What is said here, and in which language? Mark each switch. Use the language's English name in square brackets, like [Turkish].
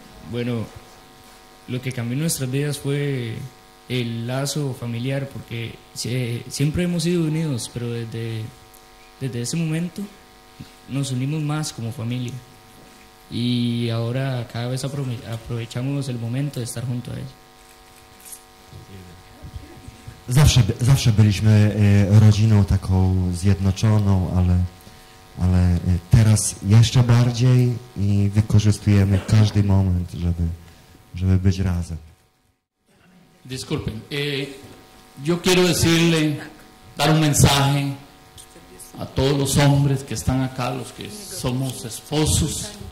[Spanish] Bueno, lo que cambió nuestras vidas fue el lazo familiar, porque siempre hemos sido unidos, pero desde ese momento nos unimos más como familia. Y ahora cada vez aprovechamos el momento de estar junto a ella. [Polish] Zawsze byliśmy rodziną taką zjednoczoną, ale teraz jeszcze bardziej i wykorzystujemy każdy moment, żeby być razem. [Spanish] Disculpen, yo quiero decirle, dar un mensaje a todos los hombres que están acá, los que somos esposos.